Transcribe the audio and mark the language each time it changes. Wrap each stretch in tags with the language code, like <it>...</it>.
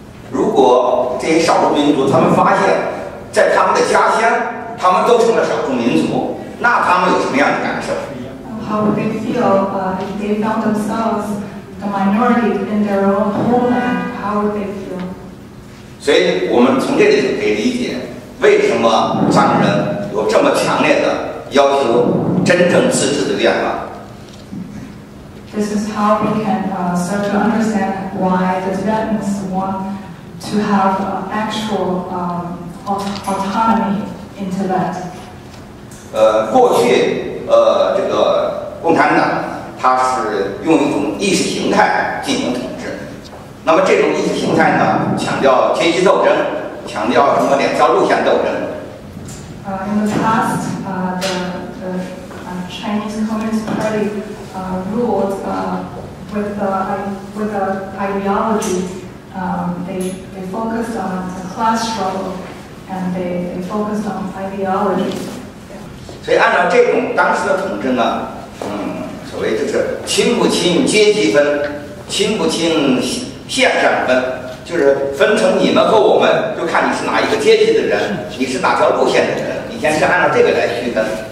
<zh>如果这些少数民族他们发现，在他们的家乡，他们都成了少数民族，那他们有什么样的感受？</zh> <en>How would they feel if they found themselves the minority in their own homeland? How would they feel?</en> <zh>所以我们从这里就可以理解，为什么藏人有这么强烈的要求真正自治的愿望。</zh> <en>This is how we can start to understand why the Tibetans want to have actual autonomy in Tibet.</en> <zh>过去这个共产党它是用一种意识形态进行统治。那么这种意识形态呢，强调阶级斗争，强调什么两条路线斗争。</zh> <en>In the past, the Chinese Communist Party. Ruled with the ideology, they focused on the class struggle, and they focused on ideology.</en> <zh>所以按照这种当时的统治呢，所谓就是亲不亲阶级分，亲不亲县上分，就是分成你们和我们，就看你是哪一个阶级的人，你是哪条路线的人，以前是按照这个来区分。</zh>